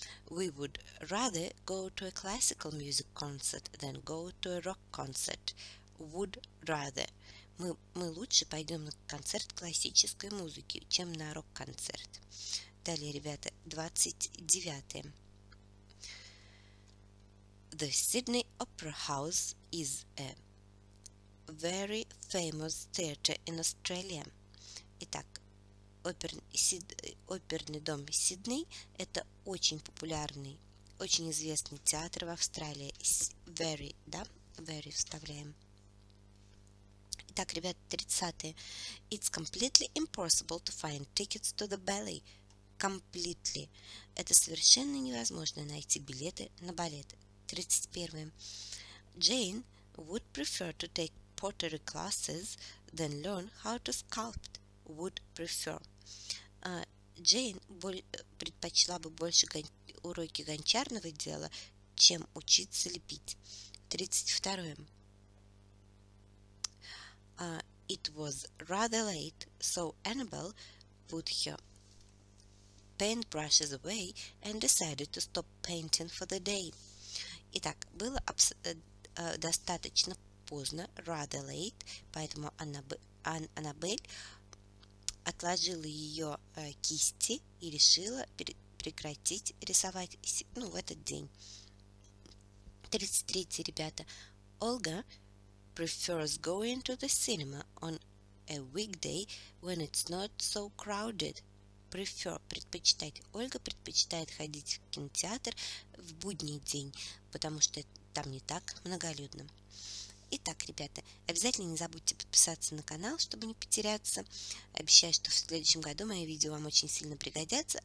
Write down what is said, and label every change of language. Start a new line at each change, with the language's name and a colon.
English: We would rather go to a classical music concert than go to a rock concert. Would rather.
Russian: Мы лучше пойдем на концерт классической музыки, чем на рок-концерт. Далее, ребята, 29.
English: The Sydney Opera House is a very famous theatre in Australia.
Russian: Итак, оперный дом Сидней – это очень популярный, очень известный театр в Австралии. Very, да? Very вставляем. Итак, ребята, 30-е.
English: It's completely impossible to find tickets to the ballet. Completely.
Russian: Это совершенно невозможно найти билеты на балет. 31.
English: Jane would prefer to take pottery classes than learn how to sculpt. Would prefer.
Russian: Jane предпочла бы больше уроки гончарного дела, чем учиться лепить. 32.
English: It was rather late, so Annabelle put her paintbrushes away and decided to stop painting for the day.
Russian: Итак, было достаточно поздно,
English: rather late,
Russian: поэтому Аннабель отложила ее кисти и решила прекратить рисовать в этот день. 33, ребята.
English: Olga prefers going to the cinema on a weekday when it's not so crowded.
Russian: Prefer – предпочитать. Ольга предпочитает ходить в кинотеатр в будний день, потому что там не так многолюдно. Итак, ребята, обязательно не забудьте подписаться на канал, чтобы не потеряться. Обещаю, что в следующем году мои видео вам очень сильно пригодятся.